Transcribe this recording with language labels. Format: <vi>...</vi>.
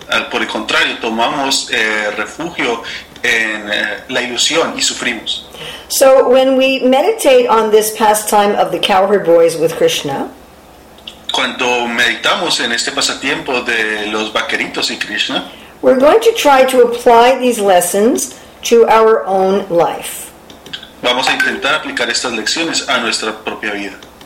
<es>Por el contrario, tomamos refugio en la ilusión y sufrimos.</es> <en>So when we meditate on this pastime of the cowherd boys with Krishna,</en> <es>cuando meditamos en este pasatiempo de los vaqueritos y Krishna,</es> <en>we're going to try to apply these lessons to our own life.</en> <es>Vamos a intentar aplicar estas lecciones a nuestra propia vida.</es>